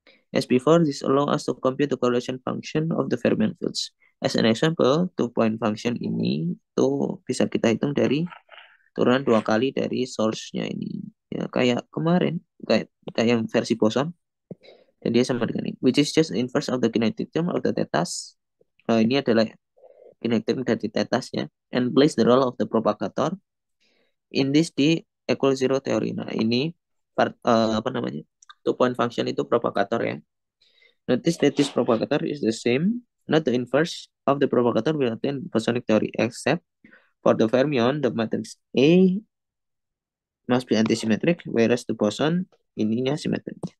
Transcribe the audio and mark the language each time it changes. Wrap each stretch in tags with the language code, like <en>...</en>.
<en>As before, this allow us to compute the correlation function of the fermion fields. As an example,</en> <id>two point function ini tuh bisa kita hitung dari turunan dua kali dari source-nya ini. Ya, kayak kemarin, kayak yang versi boson. Dan dia sama dengan ini.</id> <en>Which is just inverse of the kinetic term of the tetas.</en> <id>Nah, ini adalah kinetic term dari tetasnya.</id> <en>And plays the role of the propagator. In this, the equal zero theory.</en> <id>Nah, ini part, apa namanya? Two point function itu propagator ya.</id> <en>Notice that this propagator is the same, not the inverse of the propagator we obtain bosonic theory, except for the fermion, the matrix A must be antisymmetric, whereas the boson</en> <id>ininya simetrik.</id>